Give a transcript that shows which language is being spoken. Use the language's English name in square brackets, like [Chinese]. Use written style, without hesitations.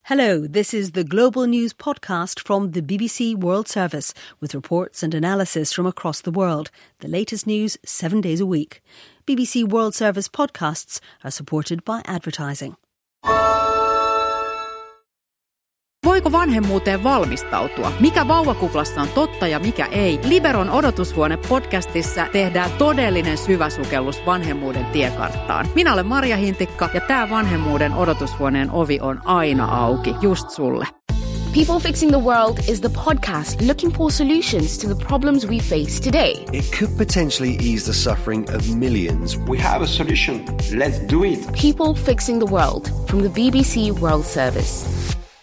[English] Hello, this is the Global News Podcast from the BBC World Service with reports and analysis from across the world. The latest news 7 days a week. BBC World Service podcasts are supported by advertising. [Finnish] Voiko vanhemmuuteen valmistautua? Mikä vauvakuplassa on totta ja mikä ei? Liberon odotushuone-podcastissa tehdään todellinen syväsukellus vanhemmuuden tiekarttaan. Minä olen Marja Hintikka ja tämä vanhemmuuden odotushuoneen ovi on aina auki, just sulle. [English] People Fixing the World is the podcast looking for solutions to the problems we face today. It could potentially ease the suffering of millions. We have a solution. Let's do it. People Fixing the World from the BBC World Service.